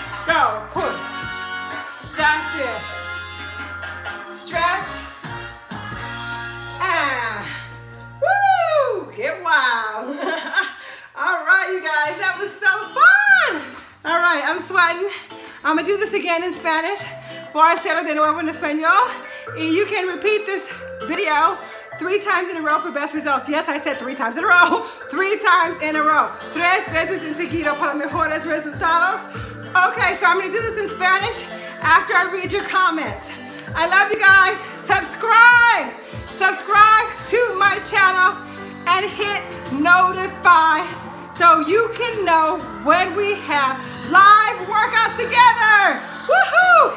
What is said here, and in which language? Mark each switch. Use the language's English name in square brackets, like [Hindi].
[English] Go. Push. That's it. Stretch. And woo! Get wild. All right, you guys. That was so fun. All right. I'm sweating. I'm going to do this again in Spanish. [Spanish] For hacerlo de nuevo en español. [English] And you can repeat this video 3 times in a row for best results. Yes, I said 3 times in a row. 3 times in a row. [Spanish] Tres veces en seguido para mejores resultados. [English] Okay, so I'm going to do this in Spanish after I read your comments. I love you guys. Subscribe. Subscribe to my channel and hit notify so you can know when we have live workouts together. Woohoo!